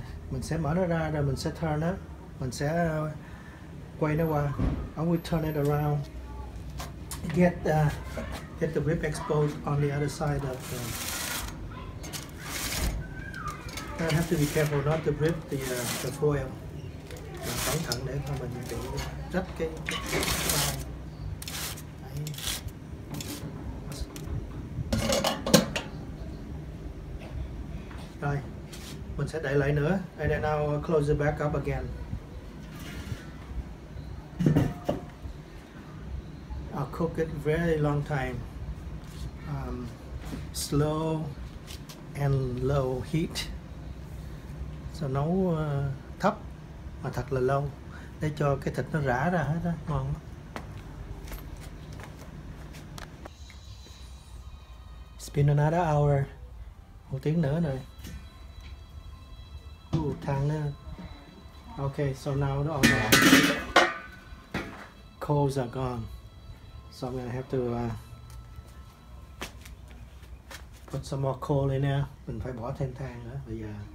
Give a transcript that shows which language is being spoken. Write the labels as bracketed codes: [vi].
[vi] Mình sẽ mở nó ra rồi mình sẽ turn nó, mình sẽ quay nó qua. [en] I will turn it around. Get the rip exposed on the other side of the. I have to be careful not to rip the foil. [vi] Mình cẩn thận để không mình bị rách cái. Rồi, mình sẽ đẩy lại nữa. [en] And then I'll close it back up again. I'll cook it very long time. Slow and low heat. [vi] So nấu thấp mà thật là lâu để cho cái thịt nó rã ra hết á, ngon lắm. [en] It's been another hour. [vi] Một tiếng nữa rồi. Thang nữa. [en] Okay, so now the all gone. Coals are gone. So I'm gonna have to put some more coal in there. [vi] Mình phải bỏ thêm thang nữa. Bây giờ.